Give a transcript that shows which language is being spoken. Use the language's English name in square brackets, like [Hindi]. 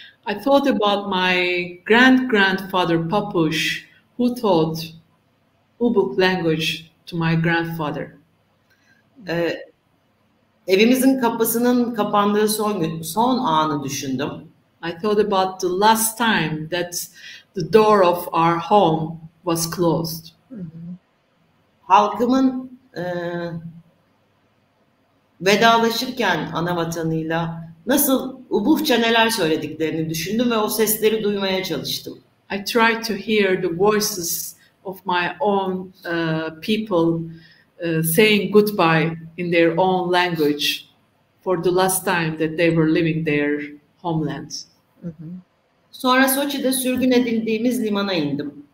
[English] I thought about my grand-grandfather Papuç, who taught Ubuk language to my grandfather. [Turkish] Evimizin kapısının kapandığı son gün, son anı düşündüm. [English] I thought about the last time that the door of our home was closed. [Turkish] Halkımın vedalaşırken ana vatanıyla nasıl Ubuhça neler söylediklerini düşündüm ve o sesleri duymaya çalıştım. [English] I tried to hear the voices of my own people saying goodbye in their own language for the last time that they were living their homeland. [Turkish] Sonra Soçi'de sürgün edildiğimiz limana indim.